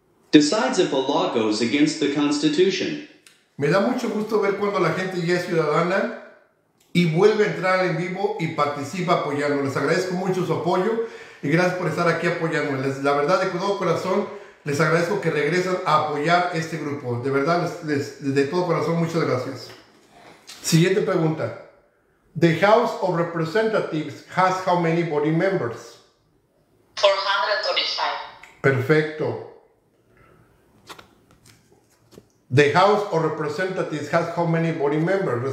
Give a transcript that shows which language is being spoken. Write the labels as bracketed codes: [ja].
[en] Decides if a law goes against the Constitution. [es] Me da mucho gusto ver cuando la gente ya es ciudadana y vuelve a entrar en vivo y participa apoyando. Les agradezco mucho su apoyo y gracias por estar aquí apoyando. La verdad, de todo corazón, les agradezco que regresen a apoyar este grupo. De verdad, de todo corazón, muchas gracias. Siguiente pregunta. [en] The House of Representatives has how many voting members? 435. [es] Perfecto. [en] The House of Representatives has how many voting members?